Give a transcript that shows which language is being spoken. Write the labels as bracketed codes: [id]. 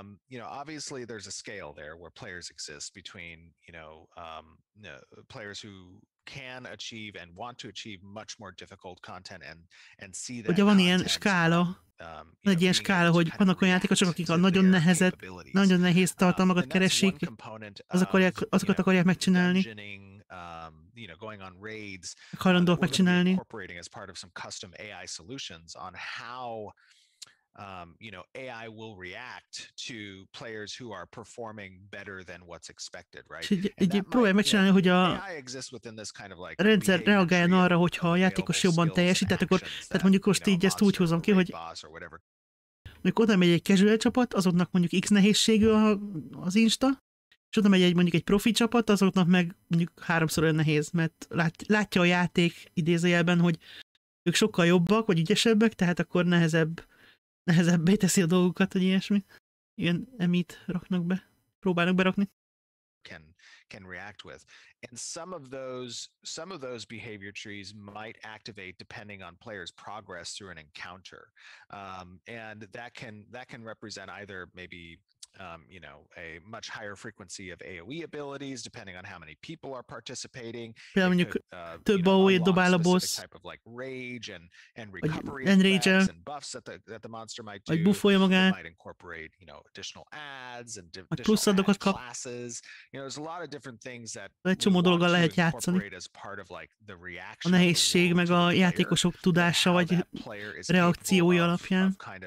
[en] You know, obviously there's a scale there where players exist between, you know, players who can achieve and want to achieve much more difficult content and see that. [hu] Ugye van ilyen skála, van egy ilyen skála, hogy vannak olyan játékosok, akik a nagyon nehezet, nagyon nehéz tartalmakat keresik, azokat akarják megcsinálni. [en] You know, going on raids, [hu] hajlandóak megcsinálni. [en] Incorporating as part of some custom AI solutions on how you know, AI will react to players who are performing better than what's expected, right? [hu] Próbálják megcsinálni, hogy a rendszer reagáljon arra, hogyha a játékos jobban teljesít, tehát mondjuk most így ezt úgy hozom ki, hogy mondjuk oda megy egy casual csapat, azoknak mondjuk X nehézségű az Insta, és oda megy egy mondjuk egy profi csapat, azoknak meg mondjuk háromszor olyan nehéz, mert látja a játék idézőjelben, hogy ők sokkal jobbak, vagy ügyesebbek, tehát akkor nehezebbé teszi a dolgokat, hogy ilyesmi. Ilyen emit raknak be, próbálnak berakni. [en] Can react with. And some of those behavior trees might activate depending on players' progress through an encounter. And that can represent either maybe you know, a much higher frequency of AOE abilities depending on how many people are participating. [hu] Például mondjuk több AOE-t dobál a boss, [en] like rage and recovery and buffs that the monster might do. [hu] Vagy buffolja magát, [en] might incorporate, you know, additional adds and additional classes. You know, there's a lot of different things that [hu] egy csomó dologgal lehet játszani. A nehézség meg a játékosok tudása vagy reakciója alapján.